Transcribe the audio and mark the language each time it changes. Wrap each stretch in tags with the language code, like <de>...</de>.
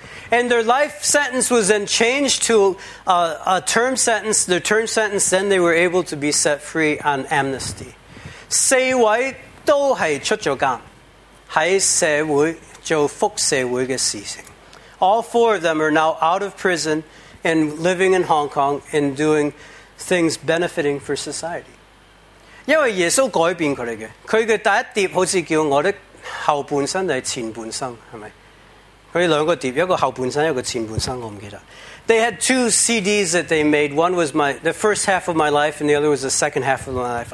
<en>And their life sentence was then changed to a term sentence, their term sentence, then they were able to be set free on amnesty.</en> <zh>四位都是出了监,在社会, 做福社会的事情.</zh> <en>All four of them are now out of prison and living in Hong Kong and doing things benefiting for society.</en> <zh>因为耶稣改变他们的,他的第一碟好像叫我的后半生还是前半生,是不是?他们两个碟,一个后半生,一个前半生,我不记得.</zh> <en>They had two CDs that they made. One was the first half of my life and the other was the second half of my life.</en>